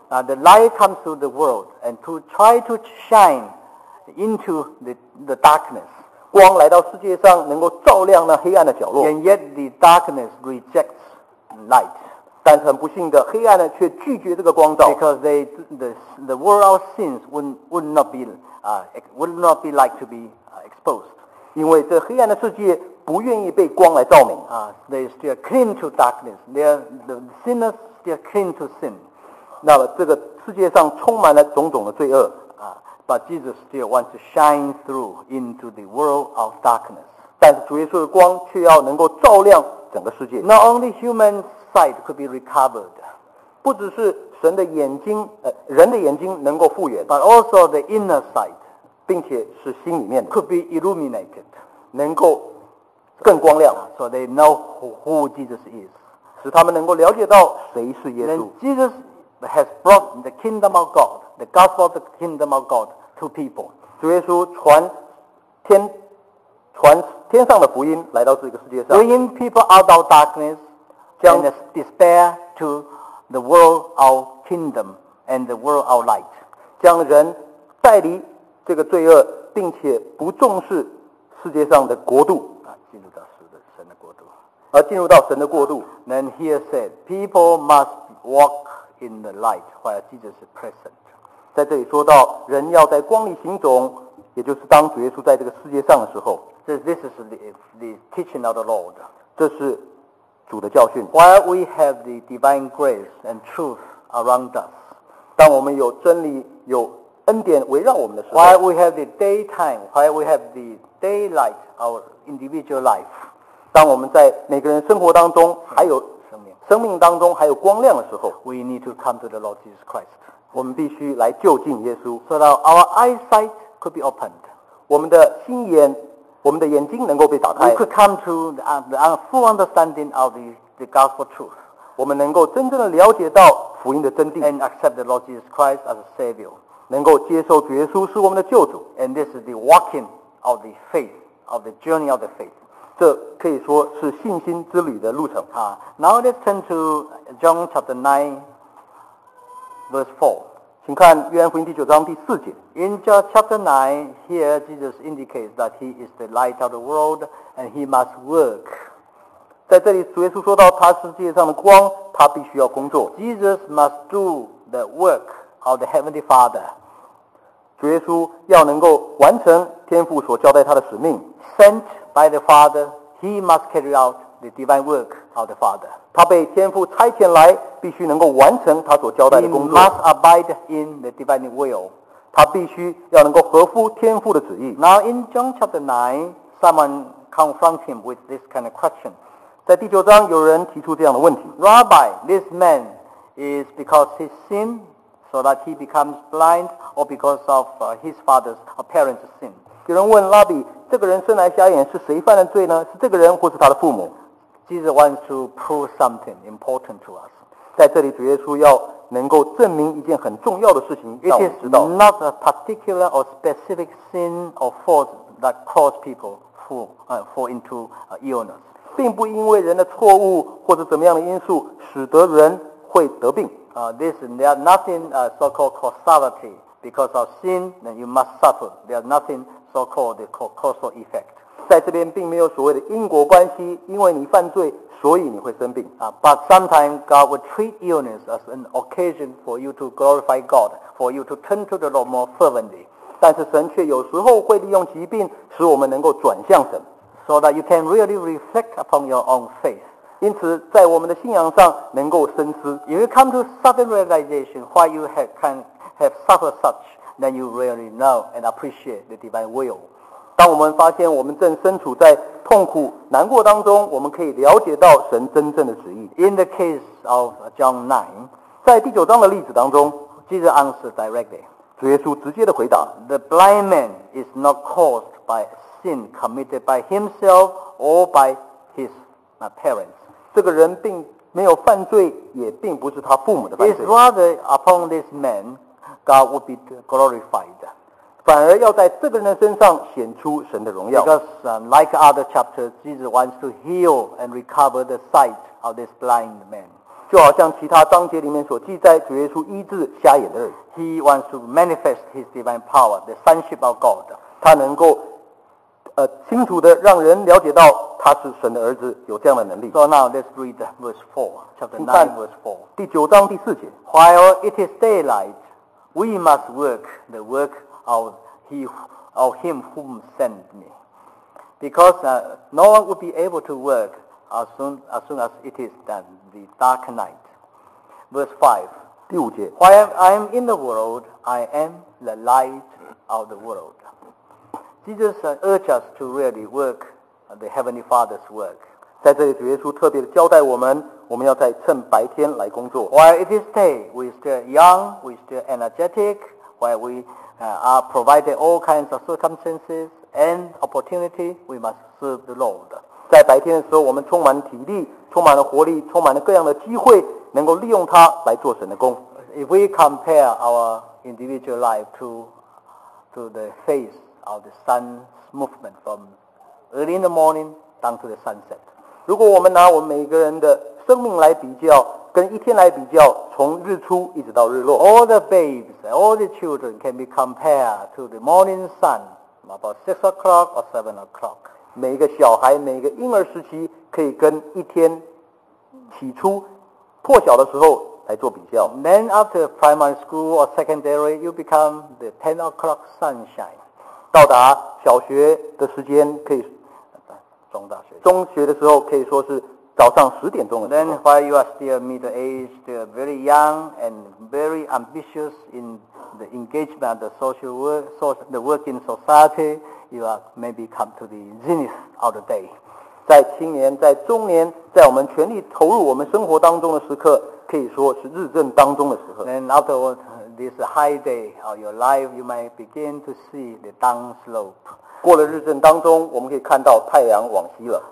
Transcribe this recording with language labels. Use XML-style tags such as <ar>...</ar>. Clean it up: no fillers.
<en>The light comes to the world and to try to shine into the darkness.</en> <zh>光来到世界上能够照亮那黑暗的角落。</zh> <en>And yet the darkness rejects light.</en> <zh>但是很不幸的黑暗呢却拒绝这个光照。</zh> <en>Because the world of sins would not be like to be exposed.</en> <zh>因为这黑暗的世界不愿意被光来照明。</zh> <en>They still cling to darkness. The sinners still cling to sin.</en> <zh>那么这个世界上充满了种种的罪恶。</zh> <en>But Jesus still wants to shine through into the world of darkness.</en> <zh>但是主耶稣的光却要能够照亮整个世界。</zh> <en>Not only human sight could be recovered.</en> <zh>不只是神的眼睛，人的眼睛能够复原。</zh> <en>But also the inner sight.</en> <zh>并且是心里面的。</zh> <en>Could be illuminated.</en> <zh>能够更光亮。</zh> <en>So they know who Jesus is.</en> <zh>使他们能够了解到谁是耶稣。</zh> <en>Then Jesus has brought the kingdom of God. The gospel of the kingdom of God to people.</en> <zh>主耶稣传天上的福音来到这个世界上。</zh> <en>Bringing people out of darkness and despair to the world of kingdom and the world of light.</en> <zh>将人带离这个罪恶，并且不重视世界上的国度。进入到神的国度。而进入到神的国度。</zh> <en>Then he said, people must walk in the light while Jesus is present.</en> <zh>在这里说到人要在光里行走，也就是当主耶稣在这个世界上的时候。</zh> <en>So this is the teaching of the Lord.</en> <zh>这是主的教训。</zh> <en>While we have the divine grace and truth around us,</en> <zh>当我们有真理、有恩典围绕我们的时候。</zh> <en>While we have the daytime, while we have the daylight, our individual life,</en> <zh>当我们在每个人生活当中还有生命当中还有光亮的时候</zh> <en>，we need to come to the Lord Jesus Christ.</en> <zh>我们必须来就近耶稣</zh> <en>，so that our eyesight could be opened.</en> <zh>我们的心眼，我们的眼睛能够被打开。</zh> <en>We could come to the full understanding of the gospel truth.</en> <zh>我们能够真正的了解到福音的真谛。</zh> <en>And accept the Lord Jesus Christ as a Savior.</en> <zh>能够接受主耶稣是我们的救主。</zh> <en>And this is the walking of the faith, of the journey of the faith.</en> <zh>这可以说是信心之旅的路程。</zh> <en>Now let's turn to John chapter 9. Verse 4.</en> <zh>请看约翰福音第九章第四节。</zh> <en>In John chapter 9, here Jesus indicates that he is the light of the world and he must work.</en> <zh>在这里主耶稣说到他是世界上的光，他必须要工作。</zh> <en>Jesus must do the work of the Heavenly Father.</en> <zh>主耶稣要能够完成天父所交代他的使命。</zh> <en>Sent by the Father, he must carry out the divine work of the Father.</en> <zh>他被天父差遣来，必须能够完成他所交代的工作。</zh> <en>He must abide in the divine will.</en> <zh>他必须要能够合乎天父的旨意。</zh> <en>Now in John chapter 9, someone confronts him with this kind of question.</en> <zh>在第九章，有人提出这样的问题。</zh> <en>Rabbi, this man is because he sinned so that he becomes blind or because of his father's or parents' sin?</en> <zh>有人问拉比，这个人生来瞎眼是谁犯的罪呢？是这个人或是他的父母？</zh> <en>Jesus wants to prove something important to us.</en> <zh>在这里，主耶稣要能够证明一件很重要的事情，让我们知道。</zh> <en>It is not a particular or specific sin or fault that causes people fall into illness.</en> <zh>并不因为人的错误或者怎么样的因素使得人会得病。</zh> <en>There are nothing so-called causality because of sin, then you must suffer. There are nothing so-called the causal effect.</en> <zh>在这边并没有所谓的因果关系，因为你犯罪，所以你会生病。</zh> <en>But sometimes God will treat illness as an occasion for you to glorify God, for you to turn to the Lord more fervently.</en> <zh>但是神却有时候会利用疾病使我们能够转向神</zh> <en>，so that you can really reflect upon your own faith.</en> <zh>因此，在我们的信仰上能够深思。</zh> <en>If you come to sudden realization why you have suffered such, then you really know and appreciate the divine will.</en> <zh>当我们发现我们正身处在痛苦难过当中，我们可以了解到神真正的旨意。</zh> <en>In the case of John 9,</en> <zh>在第九章的例子当中</zh> <en>，Jesus answered directly.</en> <zh>主耶稣直接的回答</zh> <en>：The blind man is not caused by sin committed by himself or by his parents.</en> <zh>这个人并没有犯罪，也并不是他父母的犯罪。</zh> <en>It's rather upon this man, God would be glorified.</en> <zh>反而要在这个人的身上显出神的荣耀。</zh> <en>Because like other chapters, Jesus wants to heal and recover the sight of this blind man.</en> <zh>就好像其他章节里面所记载，主耶稣医治瞎眼的人。</zh> <en>He wants to manifest his divine power, the sonship of God.</en> <zh>他能够清楚的让人了解到他是神的儿子，有这样的能力。</zh> <en>So now let's read verse 4, chapter 9, verse 4.</en> <zh>第九章第四节。</zh> <en>While it is daylight, we must work the work. Of him whom sent me. Because no one would be able to work as soon as it is done, the dark night. Verse 5.</en> <zh>第五节。</zh> <en>While I am in the world, I am the light of the world. Jesus urged us to really work the Heavenly Father's work.</en> <zh>在这里，主耶稣特别的交代我们，我们要在趁白天来工作。</zh> <en>While it is day, we are still young, we are still energetic, while we are provided all kinds of circumstances and opportunity, we must serve the Lord.</en> <zh>在白天的时候，我们充满体力，充满了活力，充满了各样的机会，能够利用它来做神的工。</zh> <en>If we compare our individual life to the phase of the sun's movement from early in the morning down to the sunset,</en> <zh>如果我们拿我们每个人的生命来比较，跟一天来比较，从日出一直到日落</zh> <en>，all the babes, all the children can be compared to the morning sun about 6 o'clock or 7 o'clock。</en> <zh>每一个小孩，每一个婴儿时期，可以跟一天起初破晓的时候来做比较。</zh> <en>Then after primary school or secondary, you become the 10 o'clock sunshine。</en> <zh>到达小学的时间可以，中大学，中学的时候可以说是早上十点钟的时候。</zh> <en>Then while you are still middle aged, very young and very ambitious in the engagement of the social work, the work in society. You are maybe come to the zenith of the day.</en> <zh>在青年，在中年，在我们全力投入我们生活当中的时刻，可以说是日正当中的时候。</zh> <en>And afterward, this high day of your life, you might begin to see the down slope.</en> <zh>过了日正当中，我们可以看到太阳往西了。</zh>